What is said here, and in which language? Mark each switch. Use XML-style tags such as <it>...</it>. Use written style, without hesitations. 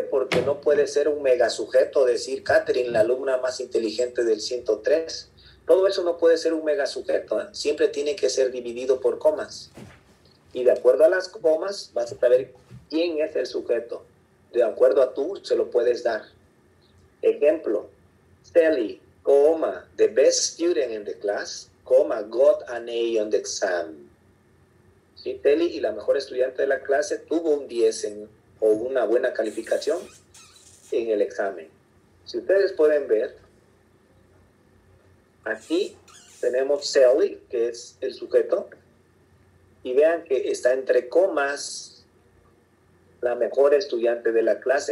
<es>Porque no puede ser un mega sujeto decir Katherine, la alumna más inteligente del 103. Todo eso no puede ser un mega sujeto. Siempre tiene que ser dividido por comas. Y de acuerdo a las comas, vas a saber quién es el sujeto. De acuerdo a tú, se lo puedes dar. Ejemplo.</es> <en>Sally, coma, the best student in the class, coma, got an A on the exam.</en> <es>Sí, Telly, y la mejor estudiante de la clase, tuvo un 10 o una buena calificación en el examen. Si ustedes pueden ver, aquí tenemos Sally, que es el sujeto, y vean que está entre comas la mejor estudiante de la clase.</es>